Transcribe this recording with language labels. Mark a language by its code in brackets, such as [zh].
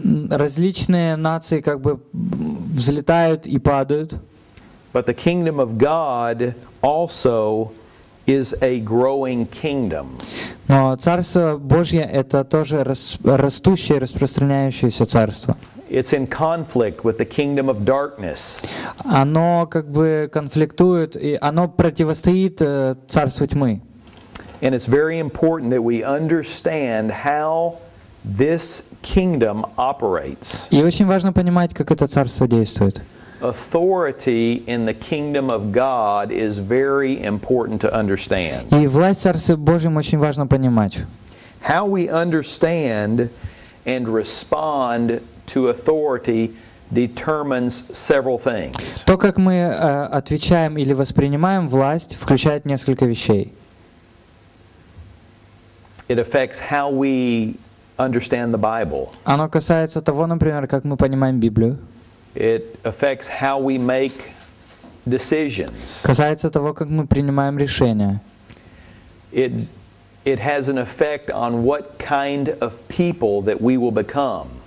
[ru] Различные нации как бы взлетают и падают. [en] But the kingdom of God also is a growing kingdom. [ru] Но Царство Божье это тоже растущее, распространяющееся царство. [en] It's in conflict with the kingdom of darkness. [ru] Оно как бы конфликтует и оно противостоит царству тьмы. [en] And it's very important that we understand how this kingdom operates. [ru] И очень важно понимать, как это царство действует. [en] Authority in the kingdom of God is very important to understand. [ru] И власть Царства Божьего очень важно понимать. [en] How we understand and respond to authority determines several things. [ru] То, как мы отвечаем или воспринимаем власть, включает несколько вещей. [en] It affects how we understand the Bible. [ru] Оно касается того, например, как мы понимаем Библию. [en] It affects how we make decisions. [ru] Касается того, как мы принимаем решения. [en] It has an effect on what kind of people that we will become.